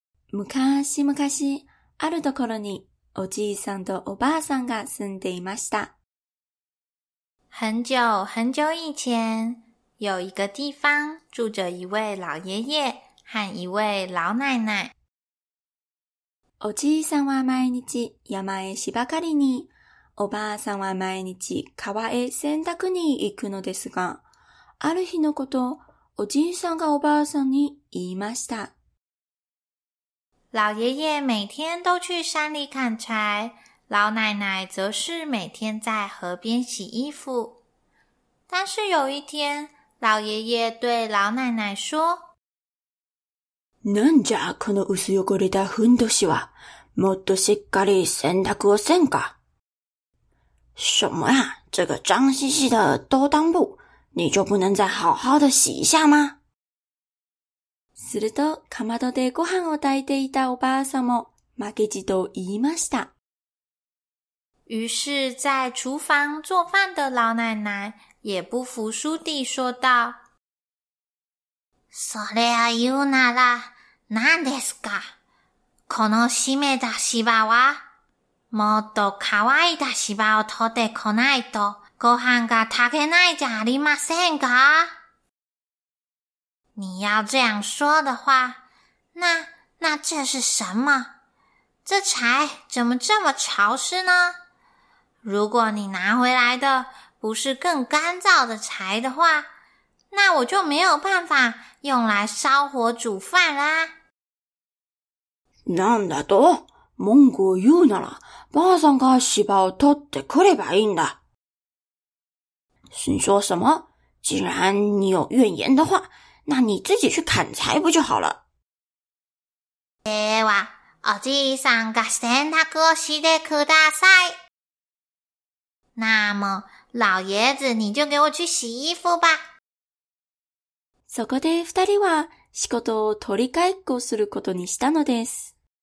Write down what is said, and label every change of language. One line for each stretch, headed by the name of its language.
Japanese: 昔昔、あるところにおじいさんとおばあさんが住んでいました。
Chinese: 很久很久以前、有一个地方住着一位老爷爷和一位老奶奶。
Japanese: おじいさんは毎日山へ芝刈りに、おばあさんは毎日川へ洗濯に行くのですが、ある日のこと、おじいさんがおばあさんに言いました。
Chinese: 老爷爷每天都去山里砍柴，老奶奶则是每天在河边洗衣服。但是有一天，老爷爷对老奶奶说，
Japanese: なんじゃこの薄汚れたふんどしは、もっとしっかり洗濯をせんか。
Chinese: 什么呀，这个脏兮兮的兜裆布，你就不能再好好的洗一下吗？
Japanese: すると、かまどでご飯を炊いていたおばあさんも負けじと言いました。
Chinese: 于是在厨房做饭的老奶奶也不服输地说道，
Japanese: それは言うなら、何ですか？この湿めた芝は、もっと乾いた芝を取ってこないと、ご飯が炊けないじゃありませんか？
Chinese: 你要这样说的话，那这是什么？这柴怎么这么潮湿呢？如果你拿回来的不是更干燥的柴的话，那我就没有办法用来烧火煮饭啦。
Japanese: なんだと？文句を言うなら、ばあさんが芝を取ってくればいいんだ。
Chinese: 你说什么？既然你有怨言的话，那你自己去砍柴不就好了？
Japanese: では、おじいさんが洗濯をしてください。
Chinese: 那么、老爷子你就给我去洗衣服吧。
Japanese: そこで二人は仕事を取り替えっこすることにしたのです。